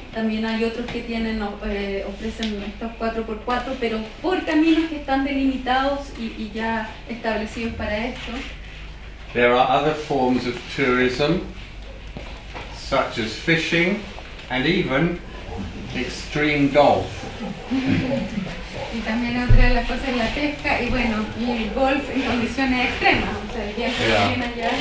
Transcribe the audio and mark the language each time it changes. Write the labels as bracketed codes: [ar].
[es] También hay otros que tienen ofrecen estos 4x4, pero por caminos que están delimitados y ya establecidos para esto. [en] There are other forms of tourism, such as fishing, and even extreme golf. [es] Y también otra de las cosas es la pesca y bueno, y el golf en condiciones extremas, o sea,